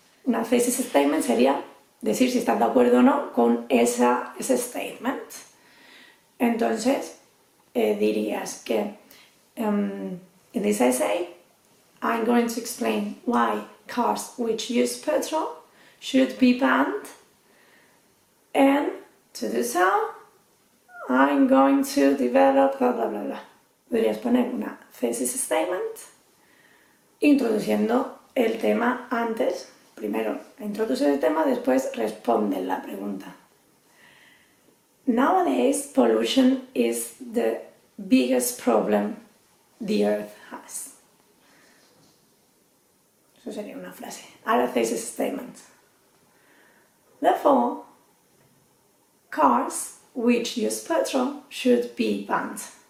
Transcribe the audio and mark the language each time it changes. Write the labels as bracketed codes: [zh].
[es] Una thesis statement sería decir si estás de acuerdo o no con ese statement. Entonces, dirías que [en] in this essay, I'm going to explain why cars which use petrol should be banned. And to do so, I'm going to develop blah, blah, blah, blah. [es] Podrías poner una thesis statement introduciendo el tema antes. Primero introduce el tema, después responde la pregunta. [en] Nowadays, pollution is the biggest problem the earth has. [es] Eso sería una frase. Ahora, thesis statement. Therefore, [en] cars which use petrol should be banned.